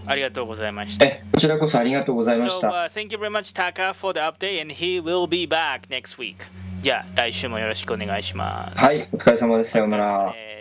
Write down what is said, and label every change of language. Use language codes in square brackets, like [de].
[ja] ありがとうございました。こちらこそありがとうございました。 [en] So, thank you very much, Taka, for the update, and he will be back next week. [ja] じゃあ、来週もよろしくお願いします。はい、お疲れ様です。さようなら。